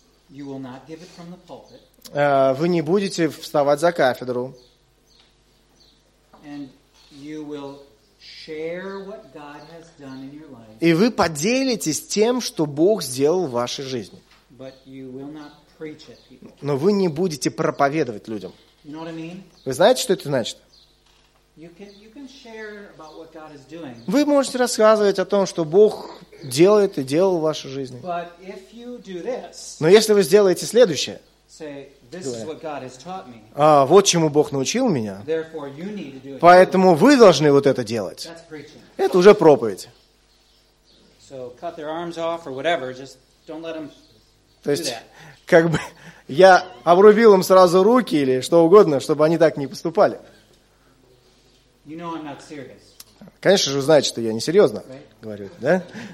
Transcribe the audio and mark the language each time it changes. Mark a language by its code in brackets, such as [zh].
[en] You will not give it from the pulpit. [ru] Вы не будете вставать за кафедру. [en] And you will share what God has done in your life. [ru] И вы поделитесь тем, что Бог сделал в вашей жизни. [en] But you will not preach it, people. [ru] Но вы не будете проповедовать людям. [en] You know what I mean? [ru] Вы знаете, что это значит? [en] You can share about what God is doing. [ru] Вы можете рассказывать о том, что Бог делает и делал в вашей жизни. [en] But if you do this, [ru] но если вы сделаете следующее, [en] say, this is what God has taught me. [ru] А вот чему Бог научил меня, [en] therefore you need to do it. [ru] Поэтому вы должны вот это делать. [en] That's preaching. [ru] Это уже проповедь. [en] So cut their arms off or whatever, just don't let them do that. [ru] Как бы я обрубил им сразу руки или что угодно, чтобы они так не поступали. [en] You know I'm not serious. [ru] Конечно же, вы знаете, что я не серьезно говорю, да?